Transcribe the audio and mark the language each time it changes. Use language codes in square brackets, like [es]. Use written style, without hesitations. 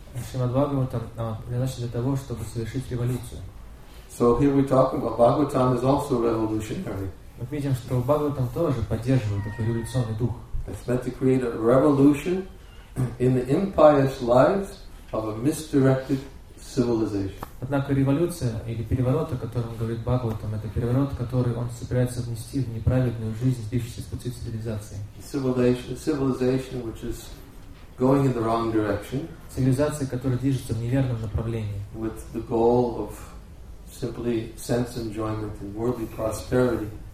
[ru] Шримад Бхагаватам предназначено для того, чтобы совершить революцию. [en] So here we're talking about Bhagavatam is also revolutionary. [ru] Мы видим, что Бхагаватам тоже поддерживает такой революционный дух. [en] It's meant to create a revolution in the impious lives of a misdirected civilization. [ru] Однако революция или переворот, о котором говорит Бхагаватам, это переворот, который он собирается внести в неправедную жизнь, сбившуюся с пути цивилизации. [en] Civilization, which is going in the wrong direction. [ru] Цивилизация, которая движется в неверном направлении. [en] With the goal of simply sense enjoyment and worldly prosperity.